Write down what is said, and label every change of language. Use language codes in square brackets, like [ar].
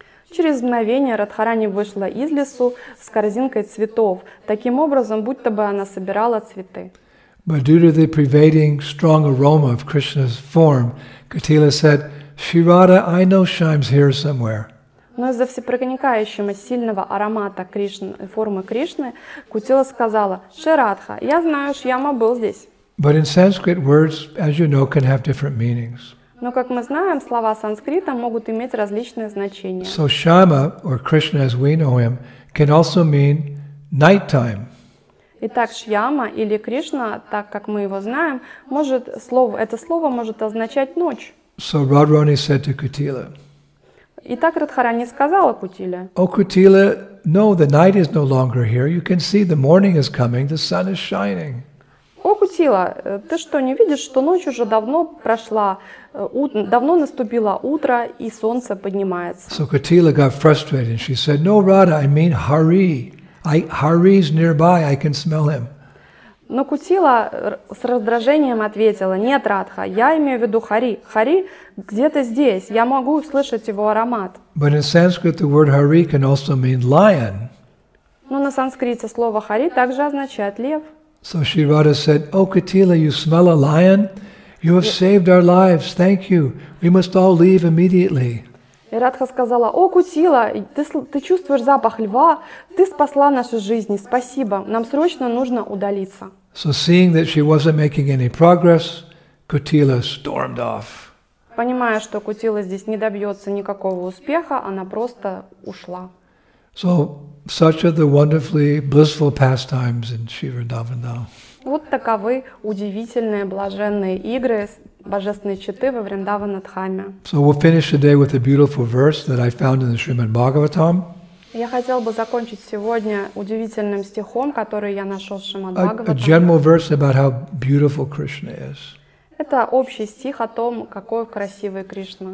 [ru] Через мгновение Радхарани вышла из лесу с корзинкой цветов, таким образом, будто бы она собирала цветы. [en] But due to the pervading strong aroma of Krishna's form, Kutila said, "Shri Radha, I know Shyam's here somewhere." [ru] Но из-за всепроникающего сильного аромата Кришны, формы Кришны, Кутила сказала: "Шри Радха, я знаю, Шьяма был здесь." [en] But in Sanskrit, words, as you know, can have different meanings. [ru] Но, как мы знаем, слова санскрита могут иметь различные значения. [en] So Shyama, or Krishna as we know him, can also mean nighttime. [ru] Итак, Шьяма или Кришна, так как мы его знаем, может слово, это слово может означать ночь. [en] So Radharani said to Kutila. [ru] Итак, Радхарани сказала Кутиле. [en] O Kutila, no, the night is no longer here. You can see the morning is coming, the sun is shining. [ru] О, Кутила, ты что, не видишь, что ночь уже давно прошла, давно наступило утро, и солнце поднимается. [en] So Kutila got frustrated, and she said, "No, Radha, I mean Hari, Hari's nearby, I can smell him. [ru] Но Кутила с раздражением ответила: "Нет, Радха, я имею в виду Хари. Хари где-то здесь. Я могу услышать его аромат." [en] But in Sanskrit, the word Hari can also mean lion. [ru] Но на санскрите слово Хари также означает лев. [en] So Shivada said, "Oh, Kutila, you smell a lion? You have saved our lives. Thank you. We must all leave immediately." [ru] И Радха сказала: "О, Кутила, ты чувствуешь запах льва? Ты спасла наши жизни. Спасибо. Нам срочно нужно удалиться." [en] So seeing that she wasn't making any progress, Kutila stormed off. [ru] Понимая, что Кутила здесь не добьется никакого успеха, она просто ушла. [en] So such are the wonderfully blissful pastimes in Sri Vrindavan now. [ru] Вот таковы удивительные блаженные игры божественной читы во Вриндавана Дхаме. [en] So we'll finish today with a beautiful verse that I found in the Srimad Bhagavatam. [ru] Я хотел бы закончить сегодня удивительным стихом, который я нашел в Шримад Бхагаватам. [en] A general verse about how beautiful Krishna is. [ru] Это общий стих о том, какой красивый Кришна.